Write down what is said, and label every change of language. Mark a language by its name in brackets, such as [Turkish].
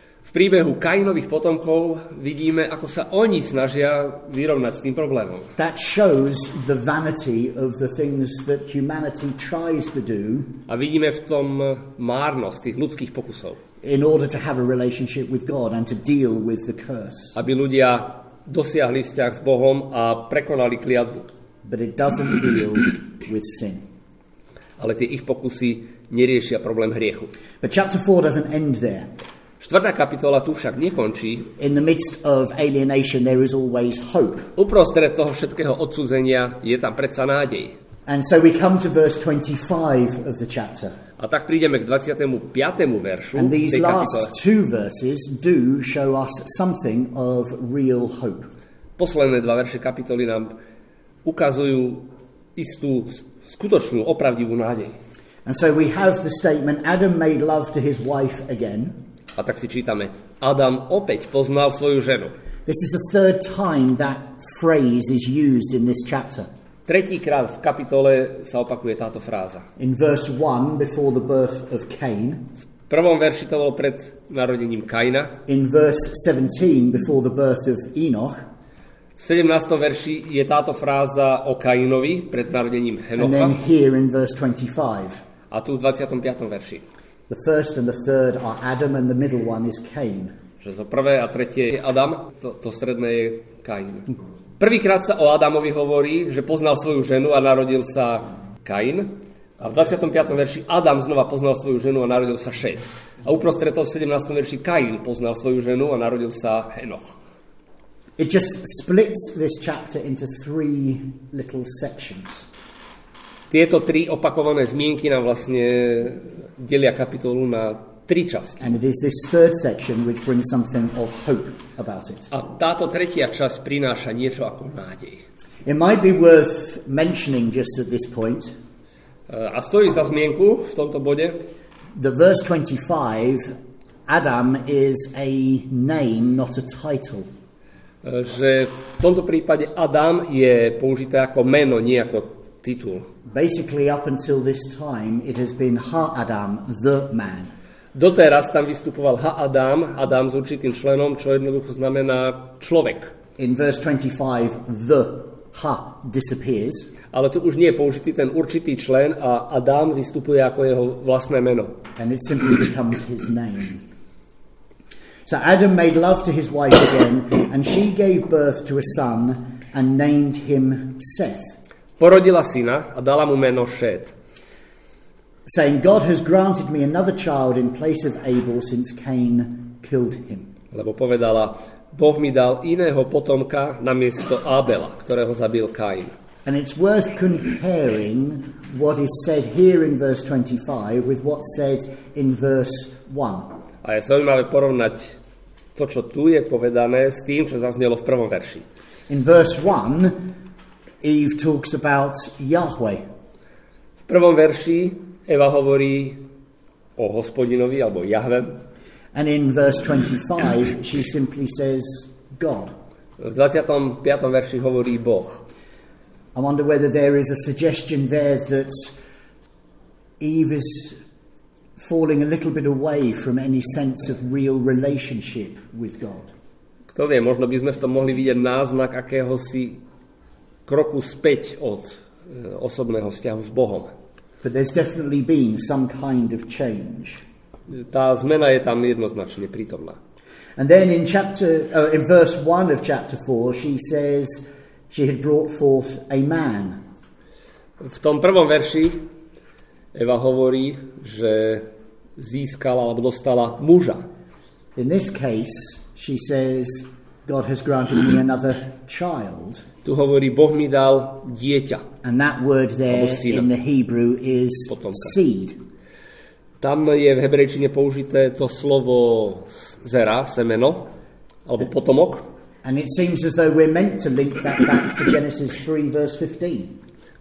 [Slovak] V príbehu Kainových potomkov vidíme, ako sa oni snažia vyrovnať s tým problémom. [English] That shows the vanity of the things that humanity tries to do. [Slovak] A vidíme v tom márnosť tých ľudských pokusov. [English] In order to have a relationship with God and to deal with the curse. [Slovak] Aby ľudia dosiahli vzťah s Bohom a prekonali kliatbu. [English] But it doesn't deal with sin. [Slovak] Ale tie ich pokusy neriešia problém hriechu. [English] But chapter 4 doesn't end there. [Slovak] Štvrtá kapitola tu však nekončí. [English] In the midst of alienation there is always hope. [Slovak] Uprostred toho všetkého odsúzenia je tam predsa nádej. [English] And so we come to verse 25 of the chapter. [Slovak] A tak prídeme k 25. veršu. [English] And these last two verses do show us something of real hope. [Slovak] Posledné dva verše kapitoly nám ukazujú istú skutočnú opravdivú nádej. [English] And so we have the statement Adam made love to his wife again. [Slovak] A tak si čítame: Adam opäť poznal svoju ženu. [English] This is the third time that phrase is used in this chapter. [Slovak] Tretíkrát v kapitole sa opakuje táto fráza. [English] In verse 1 before the birth of Cain. [Slovak] V prvom verši to bolo pred narodením Kaina. [English] In verse 17 before the birth of Enoch. [Slovak] V 17. verši je táto fráza o Kainovi pred narodením Henocha. [English] And then here in verse 25. [Slovak] A tu v 25. verši. [English] The first and the third are Adam and the middle one is Cain. [Slovak] Že to prvé a tretie je Adam, to stredné je Kain. Prvýkrát sa o Adamovi hovorí, že poznal svoju ženu a narodil sa Kain. A v 25. verši Adam znova poznal svoju ženu a narodil sa Šet. A uprostred toho v 17. verši Kain poznal svoju ženu a narodil sa Henoch. [English] It just splits this chapter into three little sections. [Slovak] Tieto tri opakované zmienky nám vlastne delia kapitolu na tri časti. [English] And it is this third section which brings something of hope about it. [Slovak] A táto tretia časť prináša niečo ako nádej. [English] It might be worth mentioning just at this point. [Slovak] A stojí za zmienku v tomto bode. [English] The verse 25 Adam is a name, not a title. [Slovak] Že v tomto prípade Adam je použité ako meno, nie ako titul. [English] Basically up until this time it has been Ha-Adam, the man. [Slovak] Doteraz tam vystupoval Ha-Adam, Adam s určitým členom, čo jednoducho znamená človek. [English] In verse 25, the Ha disappears. [Slovak] Ale tu už nie je použitý ten určitý člen a Adam vystupuje ako jeho vlastné meno. [English] And it simply becomes his name. So Adam made love to his wife again, and she gave birth to a son and named him Seth. [Slovak] Porodila syna a dala mu meno Šet. [English] Saying, God has granted me another child in place of Abel since Cain killed him. [Slovak] Lebo povedala, Boh mi dal iného potomka namiesto Abela, ktorého zabil Cain. [English] And it's worth comparing what is said here in verse 25 with what's said in verse 1. [Slovak] A je zaujímavé porovnať to, čo tu je povedané, s tým, čo zaznelo v prvom verši. [English] In verse 1, Eve talks about Yahweh. [Slovak] V prvom verši Eva hovorí o Hospodinovi alebo Jahve. [English] And in verse 25 she simply says God. [Slovak] V 25. verši hovorí Boh. [English] I wonder whether there is a suggestion there that Eve is falling a little bit away from any sense of real relationship with God. [Slovak] Kto vie, možno by sme v tom mohli vidieť náznak akéhosi kroku späť od osobného vzťahu s Bohom. [English] But there's definitely been some kind of change. [Slovak] Tá zmena je tam jednoznačne prítomná. [English] And then in chapter in verse 1 of chapter 4 she says she had brought forth a man. [Slovak] V tom prvom verši Eva hovorí, že získala alebo dostala muža. [English] In this case she says God has granted me another child. [Slovak] Tu hovorí, Boh mi dal dieťa. [English] And that word there in the Hebrew is [Slovak] potomka. [English] Seed. [Slovak] Tam je v hebrejčine použité to slovo zera, semeno, alebo potomok. [English] And it seems as though we're meant to link that back to Genesis 3 verse 15.